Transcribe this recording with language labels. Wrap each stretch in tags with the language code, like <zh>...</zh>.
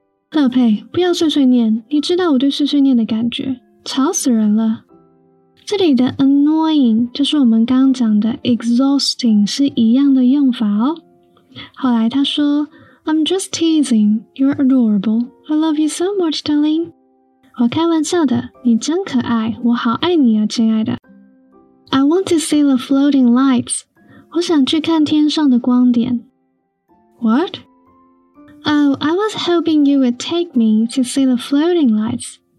<zh>乐佩，不要碎碎念，你知道我对碎碎念的感觉。吵死人了。这里的 annoying 就是我们刚讲的 exhausting 是一样的用法哦。后来他说</zh> <en>I'm just teasing, you're adorable, I love you so much, darling.</en> <zh>我开玩笑的，你真可爱，我好爱你啊，亲爱的。</zh> <en>I want to see the floating lights.</en> <zh>我想去看天上的光点。</zh> <en>What? Oh, I was hoping you would take me to see the floating lights.</en>